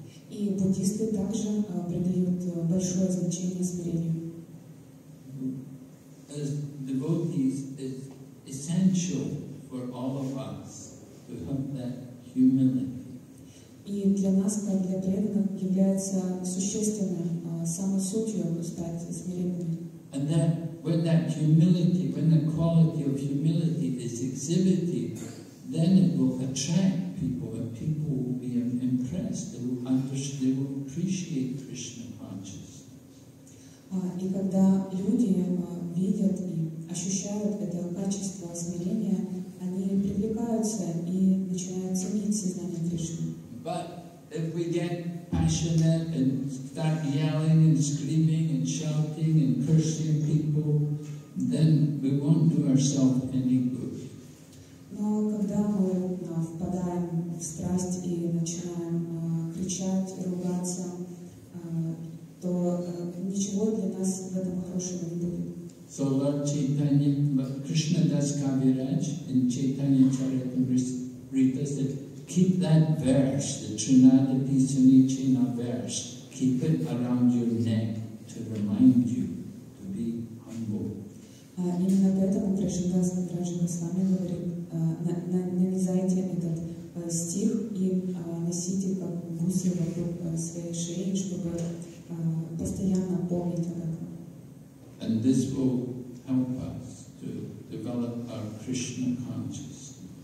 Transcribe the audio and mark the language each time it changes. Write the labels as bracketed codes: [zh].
[ru] И буддисты также придают большое значение смирению. [en] As devotees, it's essential for all of us to have that humility. [ru] И для нас, как для преданных, является существенным самой сутью стать смиренными. [en] And that when that humility, when the quality of humility is exhibited, then it will attract people, and people will be impressed. They will understand. They will appreciate Krishna consciousness. [ru] И когда люди видят и ощущают это качество смирения, они привлекаются и начинают ценить сознание Кришны. [en] But if we get passionate and start yelling and screaming and shouting and cursing people, then we won't do ourselves any good. [ru] Но когда мы впадаем в страсть и начинаем кричать, ругаться, то ничего для нас в этом хорошего не будет. [en] So Lord Chaitanya, but Krishna Das Kaviraj in Chaitanya Charitamrita said, keep that verse, the Trinadati Sunichina verse, keep it around your neck to remind you to be humble. [ru] Именно поэтому Кришна Дас Кавираджа Госвами говорит, навязайте этот стих и носите как гуся вокруг своей шеи, чтобы постоянно помнить об этом. [en] And this will help us to develop our Krishna consciousness.